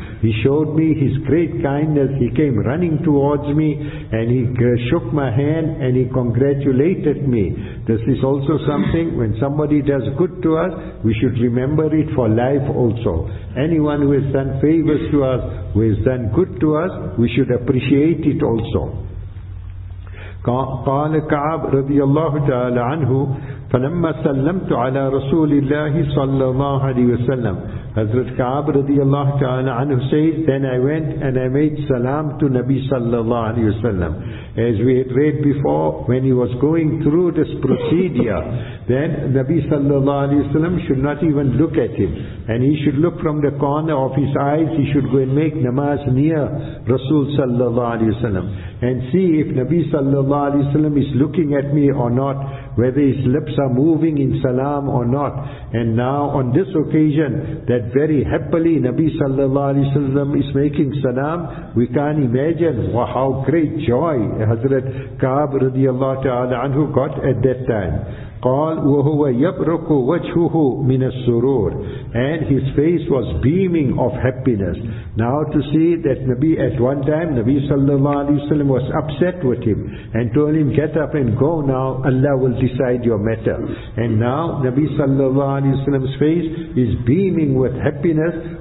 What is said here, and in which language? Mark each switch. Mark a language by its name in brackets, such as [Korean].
[English] He showed me his great kindness, he came running towards me and he shook my hand and he congratulated me. This is also something, when somebody does good to us, we should remember it for life also. Anyone who has done favors to us, who has done good to us, we should appreciate it also. [Arabic] قال كعب رضي الله تعالى عنه فلما سلمت على رسول الله صلى الله عليه وسلم. [English] Hazrat Ka'ab radiyallahu ta'ala anhu says, then I went and I made salam to Nabi sallallahu alayhi wa sallam. As we had read before, when he was going through this procedure, then Nabi sallallahu alayhi wa sallam should not even look at him. And he should look from the corner of his eyes, he should go and make namaz near Rasul sallallahu alayhi wa sallam. And see if Nabi sallallahu alayhi wa sallam is looking at me or not, whether his lips are moving in salam or not. And now on this occasion, that very happily Nabi sallallahu alayhi wa sallam is making salam, we can't imagine how great joy Hazrat Ka'ab radiallahu ta'ala anhu got at that time. [Arabic] قال وهو يبرق وجهه من السرور. [English] And his face was beaming of happiness. Now to see that Nabi, at one time Nabi sallallahu alayhi wa sallam was upset with him and told him, get up and go now, Allah will decide your matter. And now Nabi sallallahu alayhi wa sallam's face is beaming with happiness.